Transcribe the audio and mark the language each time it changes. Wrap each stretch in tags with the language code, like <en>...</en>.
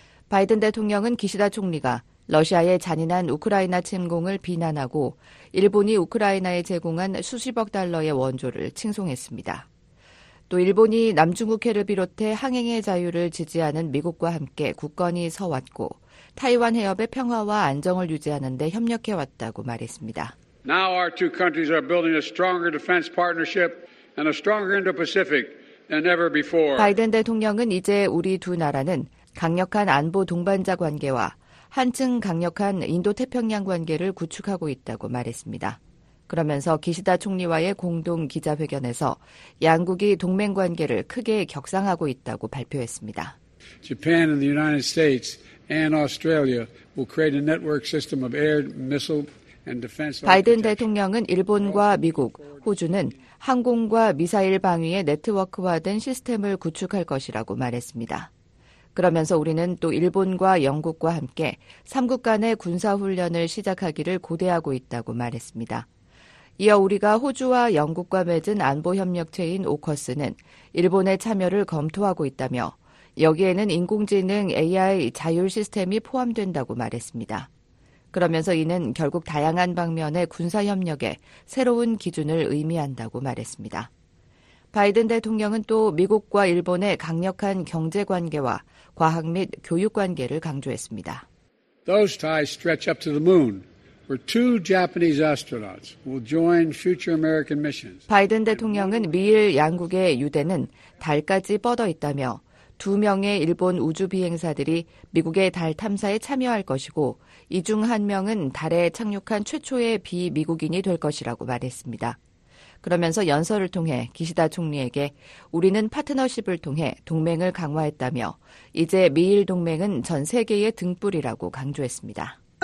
<ko>바이든 대통령은 기시다 총리가 러시아의 잔인한 우크라이나 침공을 비난하고 일본이 우크라이나에 제공한 수십억 달러의 원조를 칭송했습니다. 또 일본이 남중국해를 비롯해 항행의 자유를 지지하는 미국과 함께 굳건히 서왔고 타이완 해협의 평화와 안정을 유지하는 데 협력해왔다고 말했습니다.</ko> <en>Now our two countries are building a stronger defense partnership and a stronger Indo-Pacific than ever before.</en> <ko>바이든 대통령은 이제 우리 두 나라는 강력한 안보 동반자 관계와 한층 강력한 인도태평양 관계를 구축하고 있다고 말했습니다. 그러면서 기시다 총리와의 공동 기자회견에서 양국이 동맹관계를 크게 격상하고 있다고 발표했습니다.</ko> <en>Japan and the United States and Australia will create a network system of air, missile and defense.</en> <ko>바이든 대통령은 일본과 미국, 호주는 항공과 미사일 방위의 네트워크화된 시스템을 구축할 것이라고 말했습니다. 그러면서 우리는 또 일본과 영국과 함께 3국 간의 군사훈련을 시작하기를 고대하고 있다고 말했습니다. 이어 우리가 호주와 영국과 맺은 안보협력체인 오커스는 일본의 참여를 검토하고 있다며 여기에는 인공지능 AI 자율 시스템이 포함된다고 말했습니다. 그러면서 이는 결국 다양한 방면의 군사협력에 새로운 기준을 의미한다고 말했습니다. 바이든 대통령은 또 미국과 일본의 강력한 경제관계와 과학 및 교육 관계를 강조했습니다.</ko> <en>Those ties stretch up to the moon, where two Japanese astronauts will join future American missions.</en> <ko>바이든 대통령은 미일 양국의 유대는 달까지 뻗어 있다며 두 명의 일본 우주 비행사들이 미국의 달 탐사에 참여할 것이고 이 중 한 명은 달에 착륙한 최초의 비미국인이 될 것이라고 말했습니다. 그러면서 연설을 통해 기시다 총리에게 우리는 파트너십을 통해 동맹을 강화했다며 이제 미일 동맹은 전 세계의 등불이라고 강조했습니다.</ko>